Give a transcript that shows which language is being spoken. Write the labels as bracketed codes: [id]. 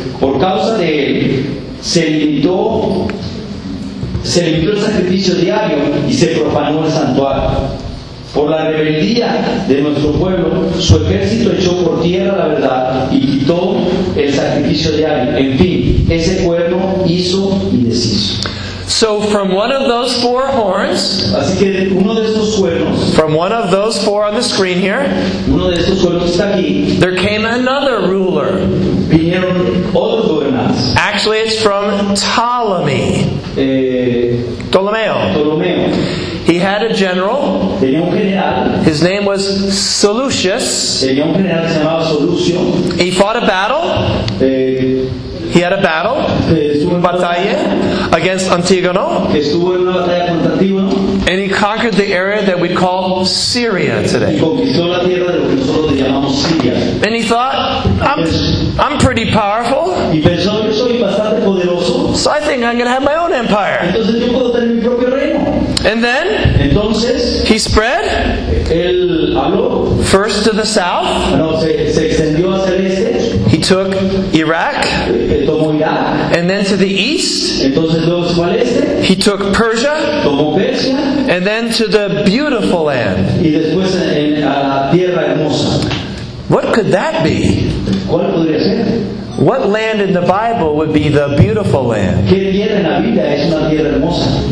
[es] Por causa de él, se limitó el sacrificio diario y se profanó el santuario. Por la rebeldía de nuestro pueblo, su ejército echó por tierra la verdad y quitó el sacrificio diario. En fin, ese cuerno hizo indeciso. [en] So from one of those four horns, [es] así que uno de esos cuernos, [en] from one of those four on the screen here, [es] uno de esos cuernos está aquí, [en] there came another ruler. [es] Vinieron otros gobernantes. [en] Actually, it's from Ptolemy. [es] Ptolemaeus. [en] He had a general. [es] Tenía un general. [en] His name was Seleucus. [es] Tenía un general que se llamaba Seleucio. [en] He fought a battle. He had a battle. [es] Batalla [en] against Antígono. [es] Estuvo en una batalla contra Antígono. [en] And he conquered the area that we call Syria today. [es] Y conquistó la tierra de lo que nosotros le llamamos Siria. [en] And he thought, I'm pretty powerful. [es] Y pensó, yo soy bastante poderoso. [en] So I think I'm going to have my own empire. [es] Entonces yo puedo tener mi propio reino. [en] And then, [es] entonces, [en] he spread. [es] Él habló. [en] First to the south. [es] No, se extendió hacia el este. [en] He took Iraq. [es] Tomó Irak. [en] And then to the east. [es] Entonces, luego se fue al este. [en] He took Persia. [es] Tomó Persia. [en] And then to the beautiful land. [es] Y después a la tierra hermosa. [en] What could that be? [es] ¿Cuál podría ser? [en] What land in the Bible would be the beautiful land? [es] ¿Qué tierra en la Biblia es una tierra hermosa?